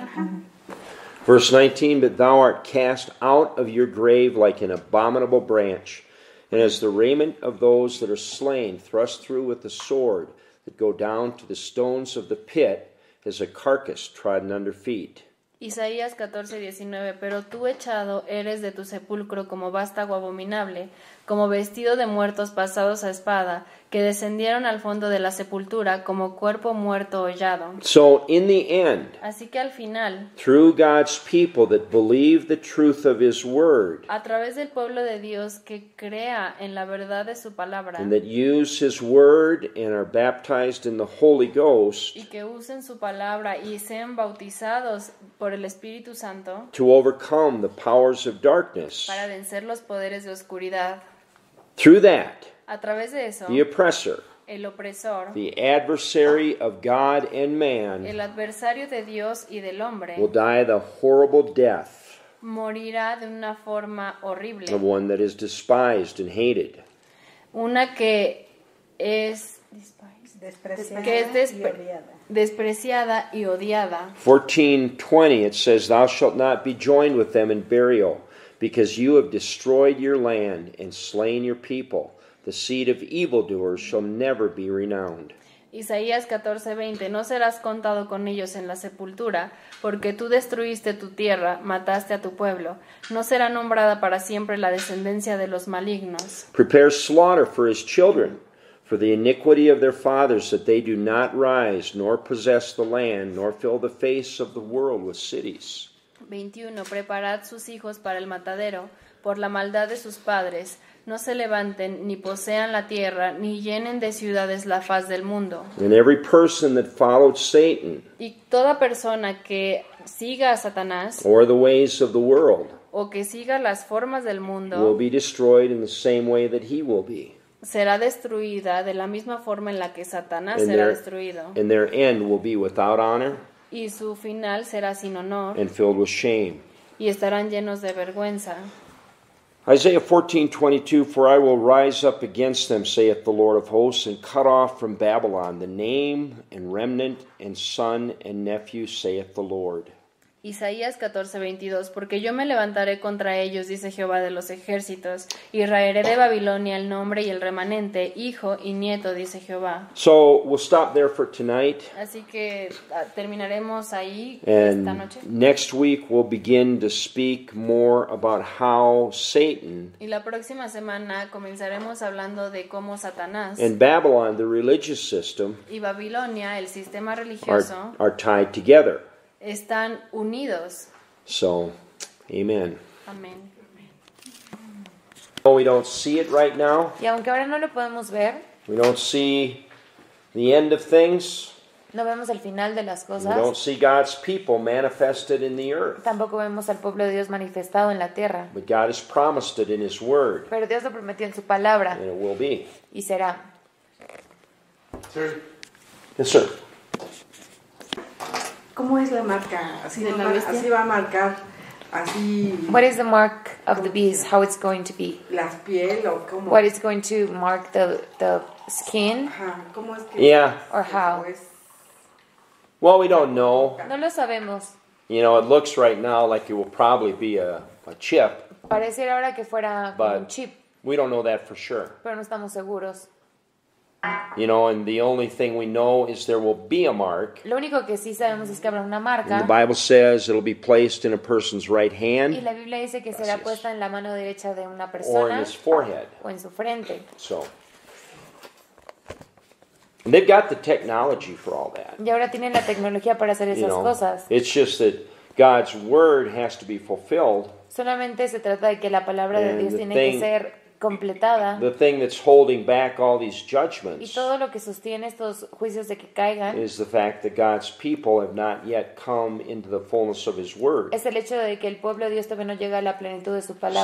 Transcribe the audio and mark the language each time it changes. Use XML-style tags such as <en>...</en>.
<en>Uh-huh. Verse 19, but thou art cast out of your grave like an abominable branch, and as the raiment of those that are slain, thrust through with the sword, that go down to the stones of the pit, as a carcass trodden under feet.</en> <es>Isaías 14:19, pero tú echado eres de tu sepulcro como vástago abominable, como vestido de muertos pasados a espada, que descendieron al fondo de la sepultura como cuerpo muerto hollado.</es> <en>So in the end,</en> <es>así que al final,</es> <en>through God's people that believe the truth of His word,</en> <es>a través del pueblo de Dios que crea en la verdad de su palabra,</es> <en>and that use His word and are baptized in the Holy Ghost,</en> <es>y que usen su palabra y sean bautizados por el Espíritu Santo,</es> <en>to overcome the powers of darkness,</en> <es>para vencer los poderes de oscuridad,</es> <en>through that.</en> <es>A través de eso,</es> <en>the oppressor,</en> <es>el opresor,</es> <en>the adversary of God and man,</en> <es>el adversario de Dios y del hombre,</es> <en>will die the horrible death,</en> <es>morirá de una forma horrible,</es> <en>of one that is despised and hated,</en> <es>una que es despreciada, que es despreciada y odiada.</es> <en>14:20, it says, thou shalt not be joined with them in burial, because you have destroyed your land and slain your people. The seed of evildoers shall never be renowned. Isaías 14:20.</en> <es>No serás contado con ellos en la sepultura, porque tú destruiste tu tierra, mataste a tu pueblo. No será nombrada para siempre la descendencia de los malignos.</es> <en>Prepare slaughter for his children, for the iniquity of their fathers, that they do not rise, nor possess the land, nor fill the face of the world with cities. 21.</en> <es>Preparad sus hijos para el matadero, por la maldad de sus padres. No se levanten, ni posean la tierra, ni llenen de ciudades la faz del mundo.</es> <en>And every person that followed Satan,</en> <es>y toda persona que siga a Satanás,</es> <en>or the ways of the world,</en> <es>o que siga las formas del mundo,</es> <en>will be destroyed in the same way that he will be.</en> <es>Será destruida de la misma forma en la que Satanás será destruido.</es> <en>And their end will be without honor,</en> <es>y su final será sin honor,</es> <en>and filled with shame.</en> <es>Y estarán llenos de vergüenza.</es> <en>Isaiah 14:22, for I will rise up against them, saith the Lord of hosts, and cut off from Babylon the name and remnant and son and nephew, saith the Lord.</en> <es>Isaías 14:22, porque yo me levantaré contra ellos, dice Jehová de los ejércitos, y raeré de Babilonia el nombre y el remanente, hijo y nieto, dice Jehová.</es> <en>So we'll stop there for tonight.</en> <es>Así que terminaremos ahí</es> <en>and</en> <es>esta noche.</es> <en>Next week we'll begin to speak more about how Satan.</en> <es>Y la próxima semana comenzaremos hablando de cómo Satanás.</es> <en>And Babylon, the religious system.</en> <es>Y Babilonia, el sistema religioso.</es> <en>Are tied together.</en> <es>Están unidos.</es> <en>So, amen.</en> <es>Amen.</es> <en>Well, we don't see it right now.</en> <es>Y aunque ahora no lo podemos ver.</es> <en>We don't see the end of things.</en> <es>No vemos el final de las cosas.</es> <en>We don't see God's people manifested in the earth.</en> <es>Tampoco vemos al pueblo de Dios manifestado en la tierra.</es> <en>But God has promised it in his word.</en> <es>Pero Dios lo prometió en su palabra.</es> <en>And it will be.</en> <es>Y será.</es> <en>Sir. Yes, sir.</en> <es>¿Cómo es la marca? Así, de la bestia? Así va a marcar, así.</es> <en>What is the mark of the beast? How it's going to be?</en> <es>La piel o cómo.</es> <en>What is going to mark the skin?</en> <es>¿Cómo es que?</es> <en>Yeah. Or how? Well, we don't know.</en> <es>No lo sabemos.</es> <en>You know, it looks right now like it will probably be a chip.</en> <es>Parece ahora que fuera</es> <en>but</en> <es>un chip.</es> <en>We don't know that for sure.</en> <es>Pero no estamos seguros.</es> <en>You know, and the only thing we know is there will be a mark.</en> <es>Lo único que sí sabemos es que habrá una marca.</es> <en>And the Bible says it'll be placed in a person's right hand.</en> <es>Y la Biblia dice que será puesta en la mano derecha de una persona.</es> <en>Or in his forehead.</en> <es>O en su frente.</es> <en>So. And they've got the technology for all that.</en> <es>Y ahora tienen la tecnología para hacer esas</es> <en>you know,</en> <es>cosas.</es> <en>It's just that God's word has to be fulfilled.</en> <es>Solamente se trata de que la palabra</es> <en>and</en> <es>de Dios tiene</es> <en>thing,</en> <es>que ser completada.</es> <en>The thing that's holding back all these judgments,</en> <es>y todo lo que sostiene estos juicios de que caigan,</es> <en>is the fact that God's people have not yet come into the fullness of his word.</en> <es>Es el hecho de que el pueblo de Dios todavía no llega a la plenitud de su palabra.</es>